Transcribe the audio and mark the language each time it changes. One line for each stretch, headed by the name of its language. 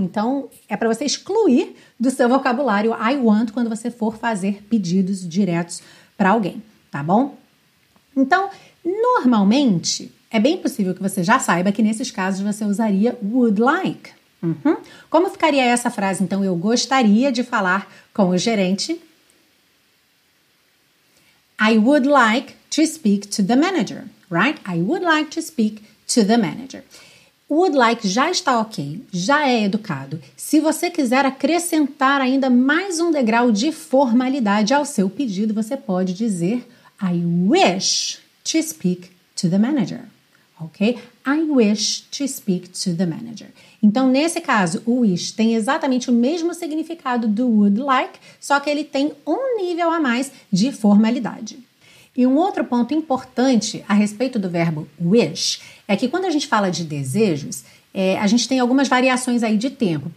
Portuguese: Então, é para você excluir do seu vocabulário I want quando você for fazer pedidos diretos para alguém, tá bom? Então, normalmente, é bem possível que você já saiba que nesses casos você usaria would like. Uhum. Como ficaria essa frase, então, eu gostaria de falar com o gerente?
English: I would like to speak to the manager, right? I would like to speak to the manager.
Portuguese: Would like já está ok, já é educado. Se você quiser acrescentar ainda mais um degrau de formalidade ao seu pedido, você pode dizer
English: I wish to speak to the manager,
Portuguese: ok?
English: I wish to speak to the manager.
Portuguese: Então, nesse caso, o wish tem exatamente o mesmo significado do would like, só que ele tem um nível a mais de formalidade. E um outro ponto importante a respeito do verbo wish é que quando a gente fala de desejos, a gente tem algumas variações aí de tempo.